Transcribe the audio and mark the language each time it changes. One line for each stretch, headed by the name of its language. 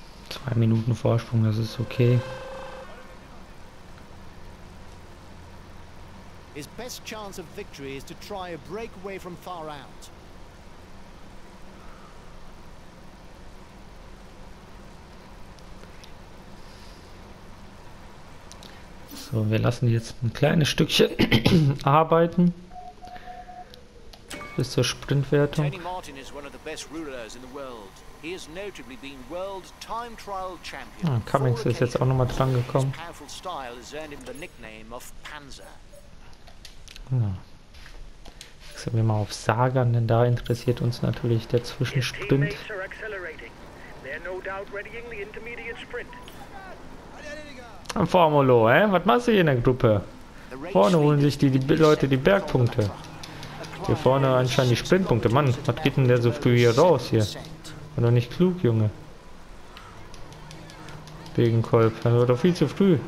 German: Zwei Minuten Vorsprung, das ist okay.
English: His best chance of victory is to try a breakaway from far out.
German: So, wir lassen jetzt ein kleines Stückchen arbeiten bis zur Sprintwertung.
English: Tony Martin is one of the best rulers in the world. He has notably been world time trial champion.
German: Ah, Cummings ist jetzt auch nochmal dran gekommen.
English: His powerful style has earned him the nickname of Panzer.
German: Wechseln wir mal auf Sagan, denn da interessiert uns natürlich der Zwischensprint.
English: His teammates are accelerating. They're no doubt readying the intermediate sprint.
German: Formulo, hä? Was machst du hier in der Gruppe? Vorne holen sich die Leute die Bergpunkte. Hier vorne anscheinend die Sprintpunkte. Mann, was geht denn der so früh hier raus hier? War doch nicht klug, Junge. Wegen Kolb. Das war doch viel zu früh.